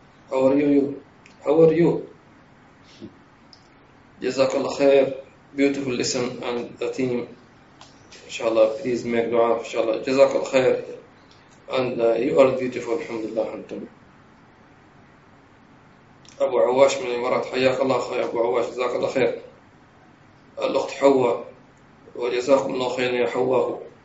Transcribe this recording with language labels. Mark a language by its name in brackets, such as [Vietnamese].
[English] How are you؟ [Arabic] جزاك الله خير. [English] Beautiful listen and the team. [Arabic] إن شاء الله please make دعاء إن شاء الله. جزاك الله خير. [English] And you are beautiful. [Arabic] الحمد لله أنتم. أبو عواش من الإمارات حياك الله خير أبو عواش جزاك الله خير. الأخت حواء وجزاكم الله خير يا حواء.